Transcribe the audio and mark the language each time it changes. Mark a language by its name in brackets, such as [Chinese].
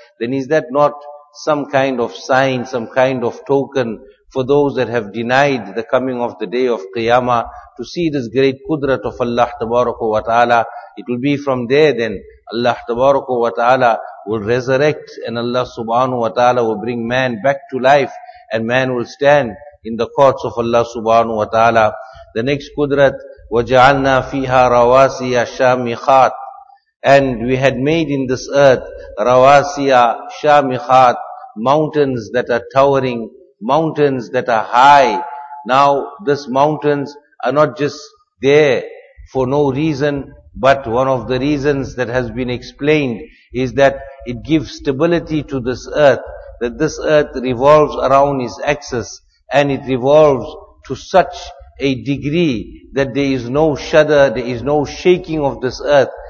[English] Then is that not some kind of sign, some kind of token for those that have denied the coming of the day of Qiyamah to see this great kudrat of Allah Tabaraka wa Ta'ala? It will be from there then Allah Tabaraka wa Ta'ala will resurrect, and Allah Subhanahu wa Ta'ala will bring man back to life, and man will stand in the courts of Allah Subhanahu wa Ta'ala. The next qudrat, [Arabic] وَجَعَلْنَا فِيهَا رَوَاسِيَ شَامِخَاتِ. [English] And we had made in this earth [Arabic] رَوَاسِيَ شَامِخَاتِ, [English] mountains that are towering, mountains that are high. Now these mountains are not just there for no reason, but one of the reasons that has been explained is that it gives stability to this earth, that this earth revolves around its axis, and it revolves to such a degree that there is no shudder, there is no shaking of this earth.